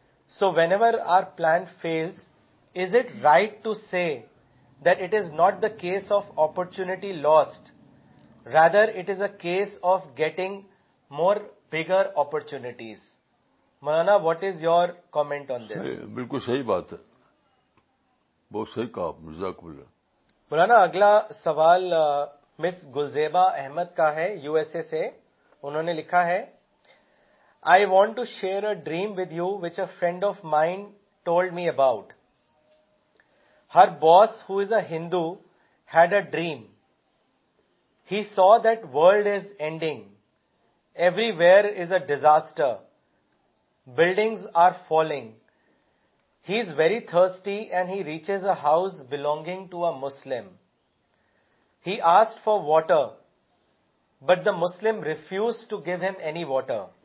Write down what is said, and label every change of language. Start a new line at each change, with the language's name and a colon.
English: So whenever our plan fails is it right to say that it is not the case of opportunity lost, rather it is a case of getting more bigger opportunities. Manana, what is your comment on this?
Urdu: بالکل صحیح بات ہے, بہت صحیح کہا آپ. جزاک اللہ. مولانا اگلا سوال مس گلزیبا احمد کا ہے یو ایس اے سے, انہوں نے لکھا ہے,
English: I want to share a dream with you which a friend of mind told me about. Her boss who is a Hindu had a dream. He saw that world is ending. Everywhere is a disaster. Buildings are falling. He is very thirsty and he reaches a house belonging to a Muslim. He asked for water, but the Muslim refused to give him any water.